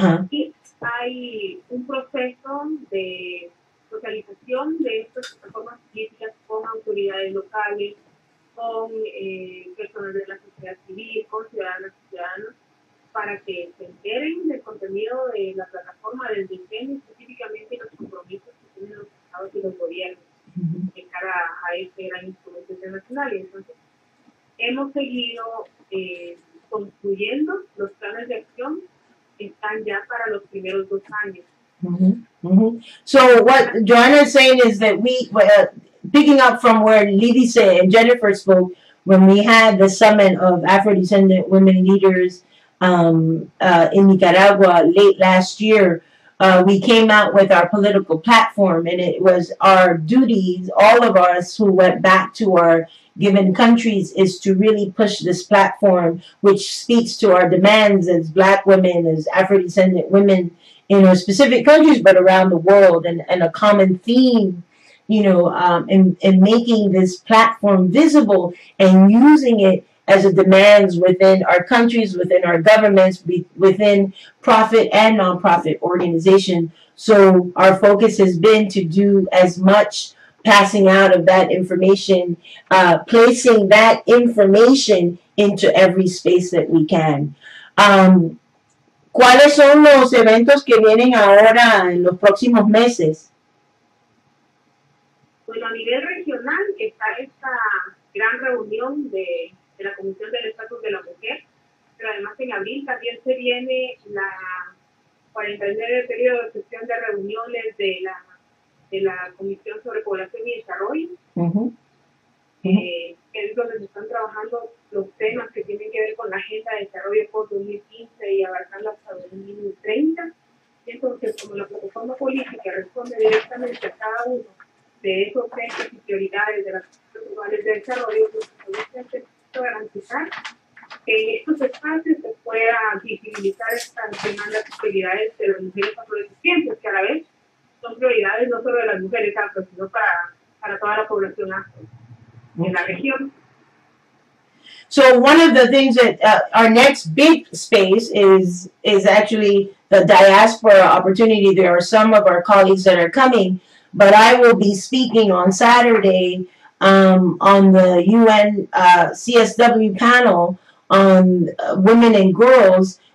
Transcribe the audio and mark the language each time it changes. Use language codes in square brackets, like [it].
[es] y hay un proceso de socialización de estas plataformas políticas con autoridades locales, con personas de la sociedad civil, con ciudadanas y ciudadanos, para que se enteren del contenido de la plataforma, del diseño, específicamente los compromisos que tienen los estados y los gobiernos de cara a este gran instrumento internacional. Y entonces, hemos seguido construyendo los planes de acción que están ya para los primeros dos años. [en] So, what Joanna is saying is that we, picking up from where Lidice and Jennifer spoke, when we had the summit of Afro-descendant women leaders in Nicaragua late last year, we came out with our political platform, and it was our duties, all of us who went back to our given countries, is to really push this platform, which speaks to our demands as Black women, as Afro-descendant women in our specific countries, but around the world, and a common theme, you know, and making this platform visible and using it as a demands within our countries, within our governments, within profit and nonprofit organizations. So our focus has been to do as much passing out of that information, placing that information into every space that we can. [es] ¿Cuáles son los eventos que vienen ahora en los próximos meses? Bueno, a nivel regional está esta gran reunión de la Comisión del Estatus de la Mujer, pero además en abril también se viene la 49 periodo de sesión de reuniones de la Comisión sobre Población y Desarrollo, que es donde se están trabajando los temas que tienen que ver con la Agenda de Desarrollo por 2015 y abarcarla hasta 2030. Y entonces, como la plataforma política responde directamente a cada uno de esos ejes y prioridades de las globales de desarrollo, necesito garantizar que en estos espacios se pueda visibilizar estas demandas y prioridades de las mujeres afrodescendientes, que a la vez son prioridades no solo de las mujeres afro, sino para toda la población afro en la región. [en] So one of the things that our next big space is actually the diaspora opportunity. There are some of our colleagues that are coming, but I will be speaking on Saturday on the UN CSW panel on women and girls.